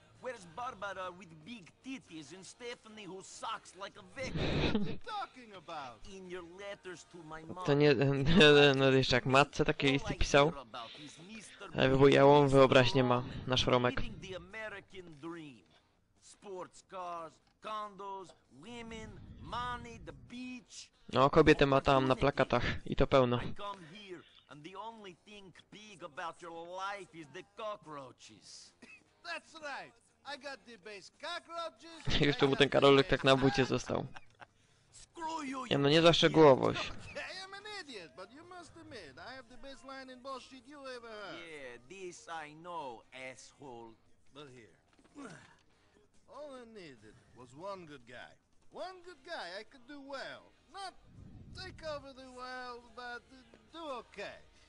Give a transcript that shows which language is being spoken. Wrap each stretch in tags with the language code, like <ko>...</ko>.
<en>Where's Barbara with big titties and Stephanie who sucks like a victim? What are you talking about? In your letters to my mom.</en> <pl>To nie, no jeszcze jak matce takie listy pisał. Wybujałą wyobraźnię ma nasz Romek.</pl> <en>The American dream. Sports cars, condos, women, money, the beach.</en> <pl>No, kobiety ma tam na plakatach i to pełno.</pl> <en>I come here and the only thing big about your life is the cockroaches. That's right. I got the base cockroaches.</en> <pl>Już to mu ten Karolek tak na bucie został. Ja no nie za szczegółowość.</pl> <en>I am an idiot, but you must admit, I have the best line in bullshit you ever heard. Yeah, this I know, asshole. But here. All I needed was one good guy. One good guy I could do well. Not take over the world, but do okay.</en>